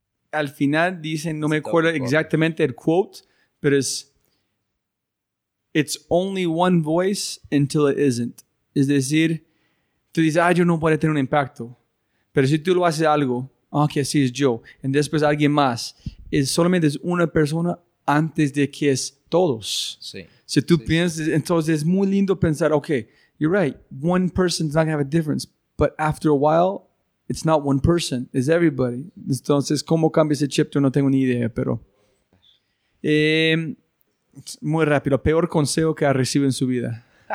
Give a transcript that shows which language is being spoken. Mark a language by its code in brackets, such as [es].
[es] Al final dicen, no me acuerdo exactamente el quote, pero es [en] "It's only one voice until it isn't." [es] Es decir, tú dices, yo no puedo tener un impacto. Pero si tú lo haces algo, que así es yo, y después alguien más, es solamente una persona antes de que es todos. Sí. Si tú piensas, entonces es muy lindo pensar, [en] okay, you're right, one person's not going to have a difference, but after a while, it's not one person, it's everybody. [es] Entonces, ¿cómo cambia ese chip? Yo no tengo ni idea, pero... muy rápido. ¿Peor consejo que ha recibido en su vida?